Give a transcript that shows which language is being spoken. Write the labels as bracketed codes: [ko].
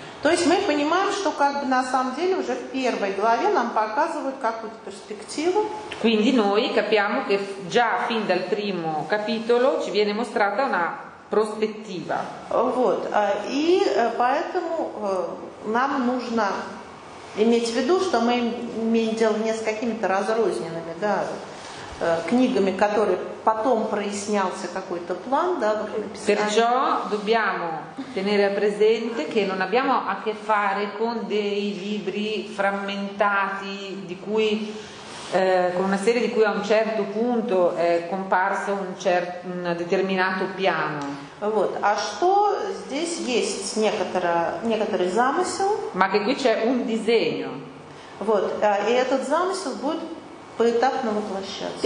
[ru] То есть мы понимаем, что как бы на самом деле уже в первой главе нам показывают какую-то перспективу. [it] Quindi noi capiamo che già fin dal primo capitolo ci viene mostrata una prospettiva. [ru] Вот, и поэтому нам нужно иметь в виду, что мы имеем дело не с какими-то разрозненными, да, книгами, которые потом прояснялся какой-то план, да, [it] perciò dobbiamo tenere presente che non abbiamo a che fare con dei libri frammentati di cui con una serie di cui a un certo punto è comparso un determinato piano. [ru] Вот. А что здесь есть некоторый замысел? [it] Ma che qui c'è un disegno. [ru] Вот. И этот замысел будет поэтапно воплощаться.